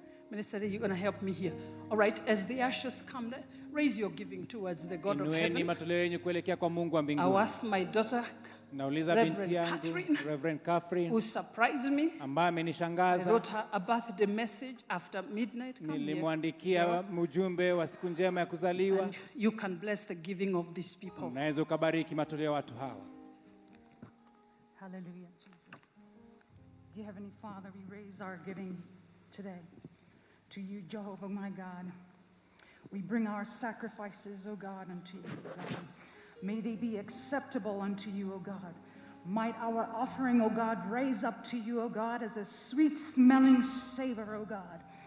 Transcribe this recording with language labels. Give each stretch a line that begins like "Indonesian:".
English: Minister, you're going to help me here. Alright, as the ashes come, raise your giving towards the God of heaven. I ask my daughter, Reverend Catherine, who surprised me.
Swahili: Ambaye amenishangaza.
English: I wrote her a birthday message after midnight.
Swahili: Nilimwandikia mujumbe wa siku njema ya kuzaliwa.
English: You can bless the giving of these people.
Swahili: Unaweza kubariki matoleo ya watu hawa.
English: Hallelujah, Jesus. Dear Heavenly Father, we raise our giving today to you, Jehovah, my God. We bring our sacrifices, O God, unto you, God. May they be acceptable unto you, O God. Might our offering, O God, raise up to you, O God, as a sweet-smelling savor, O God.